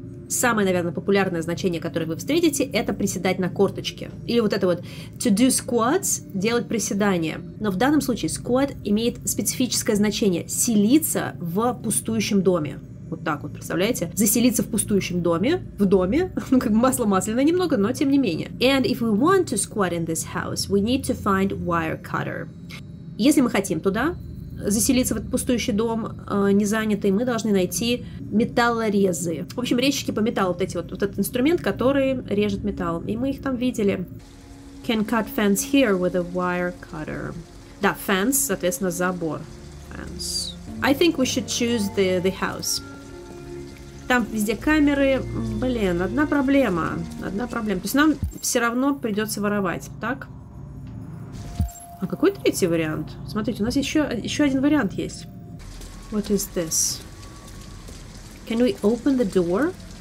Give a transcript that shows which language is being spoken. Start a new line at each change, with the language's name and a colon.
Russian: самое, наверное, популярное значение, которое вы встретите, это приседать на корточке. Или вот это вот
English: to do squats,
Russian: делать приседания. Но в данном случае squat имеет специфическое значение – селиться в пустующем доме. Вот так вот, представляете? Заселиться в пустующем доме, в доме, ну как бы масло масляное немного, но тем не менее.
English: And if we want to squat in this house, we need to find wire cutter.
Russian: Если мы хотим туда заселиться в этот пустующий дом, незанятый, мы должны найти металлорезы. В общем, резчики по металлу, вот эти вот, вот этот инструмент, который режет металл. И мы их там видели.
English: Can cut fence here with a wire cutter.
Russian: Да, fence, соответственно, забор.
English: Fence. I think we should choose the house.
Russian: Там везде камеры. Блин, одна проблема. Одна проблема. То есть нам все равно придется воровать, так? А какой третий вариант? Смотрите, у нас еще один вариант есть.
English: What is this? Can we open the door?